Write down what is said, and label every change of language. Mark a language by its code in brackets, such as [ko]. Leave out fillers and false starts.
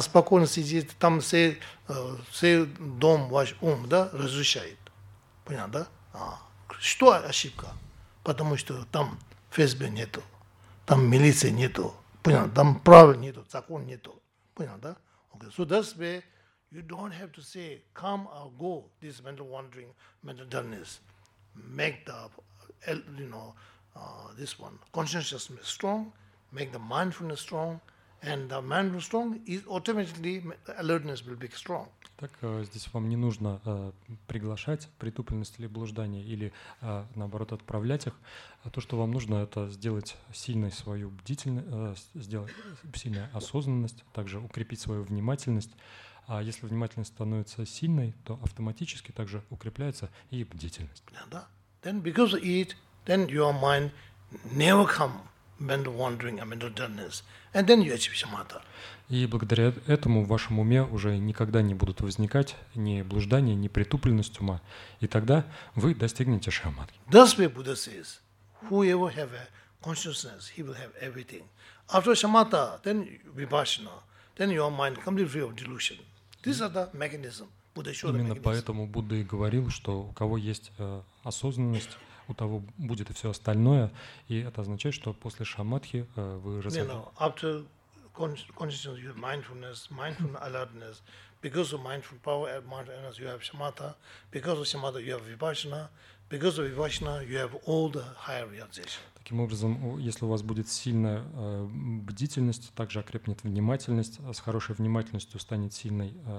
[ru] Спокойно сидит, там все дом, ваш ум, да, разрушает. Понятно, да? Что ошибка? Потому что там ФСБ нету, там милиции нету, понял? Там прав нету, закон нету, понял, да? [en] Okay. So that's where you don't have to say come or go. This mental wandering, mental dullness, make the, you know, this one consciousness strong, make the mindfulness strong. And the mind will strong, automatically alertness will be strong. [ru] Так здесь вам не нужно приглашать притупленность или блуждание, или наоборот отправлять их. А то, что вам нужно, это сделать сильной свою бдительность, сделать сильную осознанность, также укрепить свою внимательность. А если внимательность становится сильной, то автоматически также укрепляется и бдительность. Да. [en] Then because of it, then your mind never come. Mental wandering, mental dullness, and then you achieve samatha. [ru] И благодаря этому в вашем уме уже никогда не будут возникать ни блуждания, ни притупленность ума, и тогда вы достигнете шамадхи. [en] That's why Buddha says, whoever have a consciousness, he will have everything. After samatha, then vipassana, then your mind completely free of delusion. These are the mechanism. Buddha showed the mechanism. [ru] Именно поэтому Будда и говорил, что у кого есть осознанность, у того будет все остальное, и это означает, что после шамадхи вы таким образом, если у вас будет сильная бдительность, также окрепнет внимательность, с хорошей внимательностью станет сильной.